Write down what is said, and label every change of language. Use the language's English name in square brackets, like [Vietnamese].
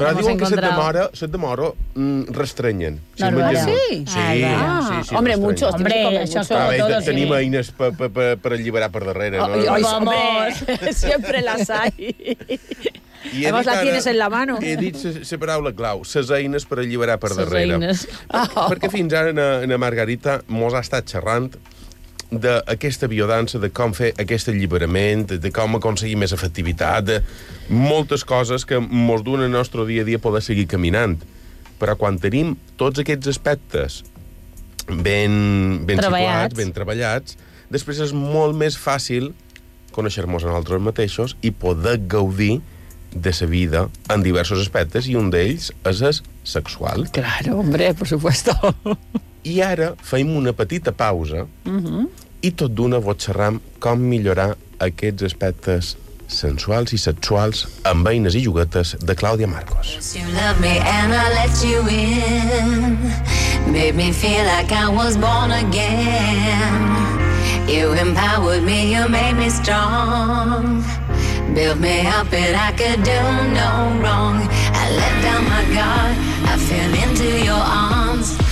[Catalan] Però diuen que set de moro restrenyen. Si no, sí? Sí, [Spanish] hombre, muchos. Hombre, [Catalan] això [Spanish] sobre todo. [Catalan] Tenim eines per alliberar per darrere. [Spanish] Vamos, siempre las hay. Además la tienes en la mano. [Catalan] He dit la paraula clau, ses eines per alliberar per darrere. Ses eines. Perquè fins ara na Margarita mos ha estat xerrant d'aquesta biodança, de com fer aquest alliberament, de com aconseguir més efectivitat, de moltes coses que mos duen el nostre dia a dia poder seguir caminant. Però quan tenim tots aquests aspectes ben situats, ben treballats, després és molt més fàcil conèixer-nos a nosaltres mateixos i poder gaudir de sa vida en diversos aspectes i un d'ells és el sexual. [Spanish] Claro, hombre, por supuesto. [Catalan] I ara fem una petita pausa i tot d'una vos xerram com millorar aquests aspectes sensuals i sexuals amb veïnes i juguetes de Clàudia Marcos. [English] You love me and I let you in. Made me feel like I was born again. You empowered me, you made me strong. Built me up and I could do no wrong. I let down my guard, I fell into your arms.